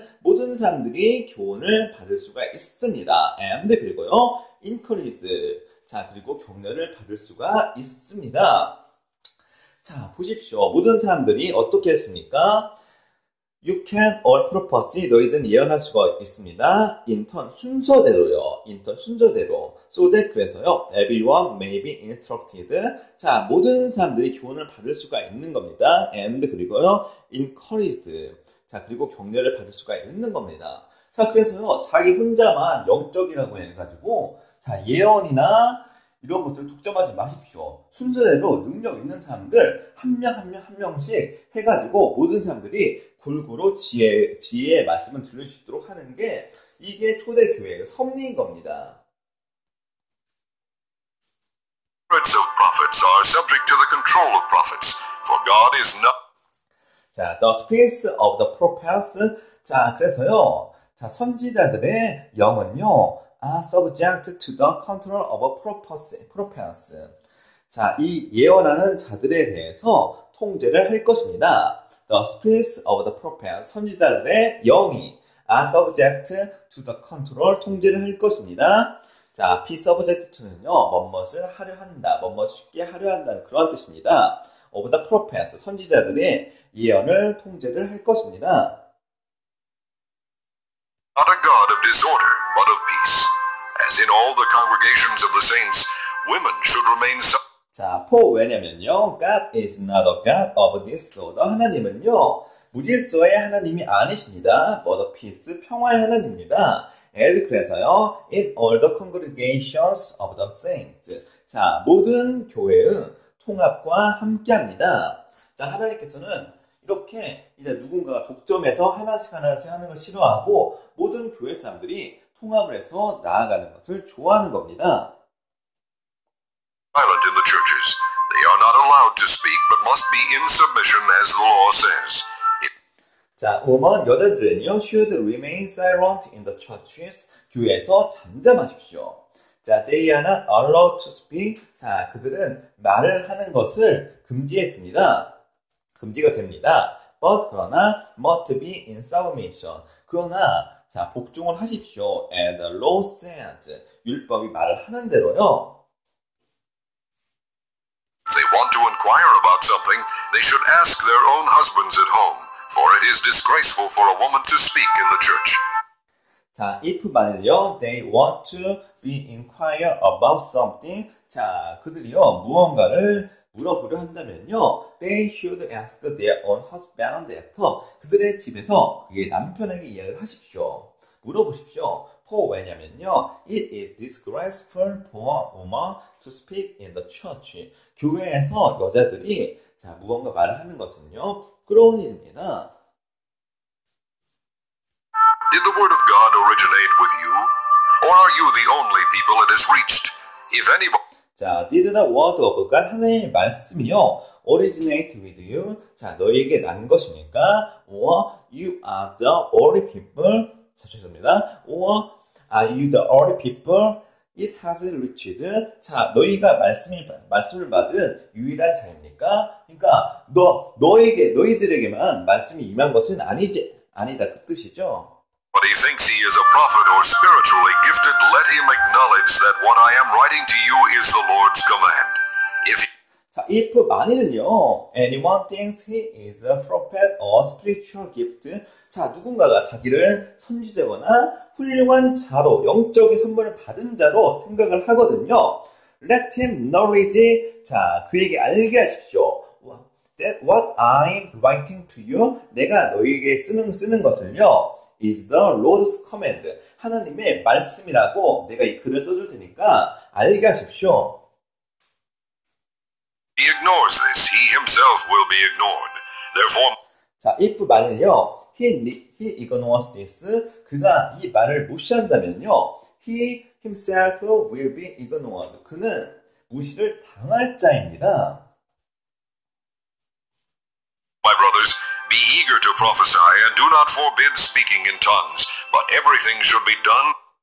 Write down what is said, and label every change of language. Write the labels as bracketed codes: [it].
[ko] 모든 사람들이 교훈을 받을 수가 있습니다. [en] And, [ko] 그리고요, [en] encouraged. [ko] 자, 그리고 격려를 받을 수가 있습니다. 자, 보십시오. 모든 사람들이 어떻게 했습니까? [en] You can all prophesy. [ko] 너희들은 예언할 수가 있습니다. [en] In turn, [ko] 순서대로요. [en] In turn, [ko] 순서대로. [en] So that, [ko] 그래서요. [en] Everyone may be instructed. [ko] 자, 모든 사람들이 교훈을 받을 수가 있는 겁니다. [en] And, [ko] 그리고요. [en] Encouraged. [ko] 자, 그리고 격려를 받을 수가 있는 겁니다. 자, 그래서요. 자기 혼자만 영적이라고 해가지고, 자, 예언이나, 이런 것들을 독점하지 마십시오. 순서대로 능력 있는 사람들 한명한명한 명씩 해가지고 모든 사람들이 골고루 지혜의 말씀을 들을 수 있도록 하는 게 이게 초대교회의 섭리인 겁니다. [en] Prophets are subject to the control of prophets, for God is not. 자, the spirits of the prophets. 자, [ko] 그래서요. 자, 선지자들의 영은요. [en] are subject to the control of a prophets. [ko] 자, 이 예언하는 자들에 대해서 통제를 할 것입니다. [en] The spirits of the prophets, [ko] 선지자들의 영이 [en] are subject to the control, [ko] 통제를 할 것입니다. 자, [en] be subject to [ko] 는요, 뭇뭇을 하려 한다, 뭇뭇 쉽게 하려 한다는 그런 뜻입니다. [en] of the prophets, [ko] 선지자들의 예언을 통제를 할 것입니다. [en] Not a god of disorder, but of peace. As in all the congregations of the saints, women should remain silent. 자, for [ko] 왜냐면요, [en] God is not a God of disorder. [ko] 하나님은요, 무질서의 하나님이 아니십니다. [en] But peace, [ko] 평화의 하나님입니다. [en] And [ko] 그래서요, [en] in all the congregations of the saints. [ko] 자, 모든 교회의 통합과 함께합니다. 자, 하나님께서는 이렇게 이제 누군가가 독점해서 하나씩 하나씩 하는 걸 싫어하고 모든 교회 사람들이 통합을 해서 나아가는 것을 좋아하는 겁니다. [en] Silent in the churches. They are not allowed to speak, but must be in submission as the law says. 자, [ko] 음원 여자들은요, [en] should remain silent in the churches. [ko] 교회에서 잠잠하십시오. [en] 자, they are not allowed to speak. [ko] 자, 그들은 말을 하는 것을 금지했습니다. 금지가 됩니다. [en] But, [ko] 그러나, [en] must be in submission. [ko] 그러나, 자, 복종을 하십시오. [en] And the law says, [ko] 율법이 말을 하는 대로요. [en] They want to inquire about something, they should ask their own husbands at home, for it is disgraceful for a woman to speak in the church. 자, if [ko] 만일요, [en] they want to be inquire about something. 자, [ko] 그들이요, 무언가를 물어보려 한다면요, [en] they should ask their own husband after. [ko] 그들의 집에서 그의 남편에게 이야기를 하십시오. 물어보십시오. [en] For [ko] 왜냐면요, [en] it is disgraceful for a woman to speak in the church. [ko] 교회에서 여자들이 자, 무언가 말을 하는 것은요, 부끄러운 일입니다. [en] Did the word of God originate with you? Or are you the only people it has reached? If anybody. 자, did the word of God, [ko] 하나님의 말씀이요, [en] originate with you? 자, [ko] 너에게 난 것입니까? [en] Or you are the only people? 자, [ko] 죄송합니다. [en] Or are you the only people it has reached? [ko] 자, 너희가 말씀을 받은 유일한 자입니까? 그러니까, 너희들에게만 말씀이 임한 것은 아니다. 그 뜻이죠. [en] But he thinks he is a prophet or spiritually gifted, let him acknowledge that what I am writing to you is the Lord's command. If he 자, if [ko] 만일은요, [en] anyone thinks he is a prophet or spiritual gift. [ko] 자, 누군가가 자기를 선지자거나 훌륭한 자로, 영적인 선물을 받은 자로 생각을 하거든요. [en] Let him knowledge. [ko] 자, 그에게 알게 하십시오. [en] That what I'm writing to you. [ko] 내가 너에게 쓰는 것을요. [en] is the Lord's command. [ko] 하나님의 말씀이라고 내가 이 글을 써줄 테니까 알게 하십시오. [en] He ignores this. He himself will be ignored. Therefore, 자, if [ko] 말은요. [en] He ignores this. [ko] 그가 이 말을 무시한다면요. [en] He himself will be ignored. [ko] 그는 무시를 당할 자입니다. [en] My brothers, be eager to prophesy and do not forbid speaking in tongues, but everything should be done.